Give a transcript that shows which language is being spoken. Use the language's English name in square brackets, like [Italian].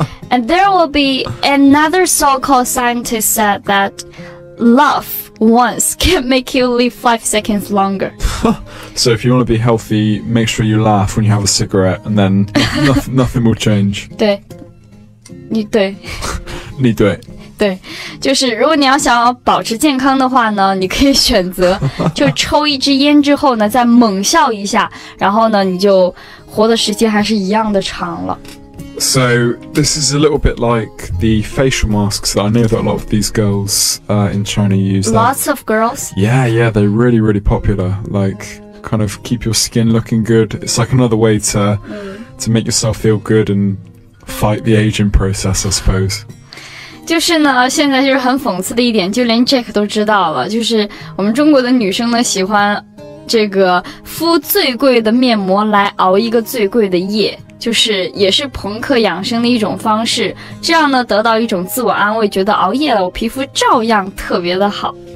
[English] And there will be another so-called scientist said that love once can make you live 5 seconds longer. So if you want to be healthy, make sure you laugh when you have a cigarette and then nothing will change. [Chinese] 对你对你对对就是如果你要想要保持健康的话呢你可以选择就抽一支烟之后呢再猛笑一下然后呢你就活的时间还是一样的长了 [English] So this is a little bit like the facial masks that I know that a lot of these girls in China use、that. Lots of girls? Yeah, they're really, really popular Like kind of keep your skin looking good It's like another way to make yourself feel good andfight the aging process, I suppose. [Chinese] 就是呢现在就是很讽刺的一点就连 Jack 都知道了就是我们中国的女生呢喜欢这个敷最贵的面膜来熬一个最贵的夜就是也是朋克养生的一种方式这样呢得到一种自我安慰觉得熬夜了我皮肤照样特别的好。